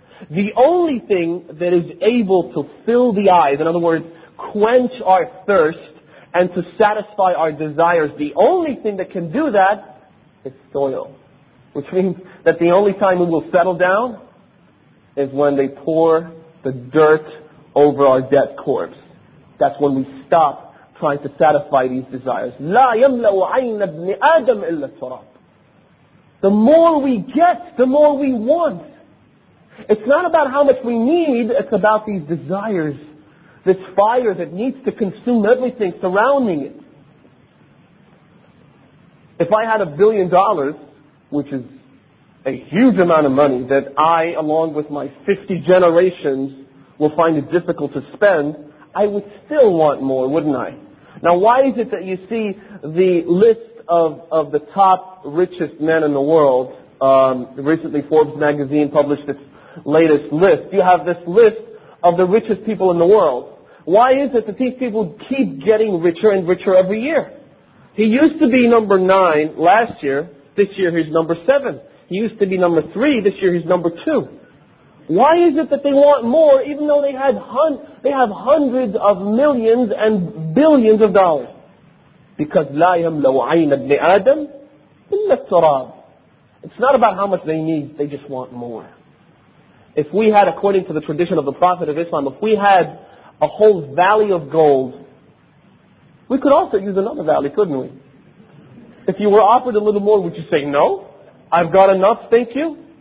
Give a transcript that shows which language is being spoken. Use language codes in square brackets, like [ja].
[en] The only thing that is able to fill the eyes, in other words, quench our thirst and to satisfy our desires, the only thing that can do that is soil. Which means that the only time we will settle down is when they pour the dirt over our dead corpse. That's when we stop trying to satisfy these desires. [ar] لا يملا عين ابن ادم الا التراب. [en] The more we get, the more we want. It's not about how much we need, it's about these desires, this fire that needs to consume everything surrounding it. If I had $1 billion, which is a huge amount of money that I, along with my 50 generations, will find it difficult to spend, I would still want more, wouldn't I? Now, why is it that you see the list of the top richest men in the world? Recently Forbes magazine published its latest list. You have this list of the richest people in the world. Why is it that these people keep getting richer and richer every year? He used to be number 9 last year. This year he's number 7. He used to be number 3. This year he's number 2. Why is it that they want more even though they had they have hundreds of millions and billions of dollars? Because [ar] لا يملو عين ابن آدم إلا التراب. [en] It's not about how much they need, they just want more. If we had, according to the tradition of the Prophet of Islam, if we had a whole valley of gold, we could also use another valley, couldn't we? If you were offered a little more, would you say, no, I've got enough, thank you?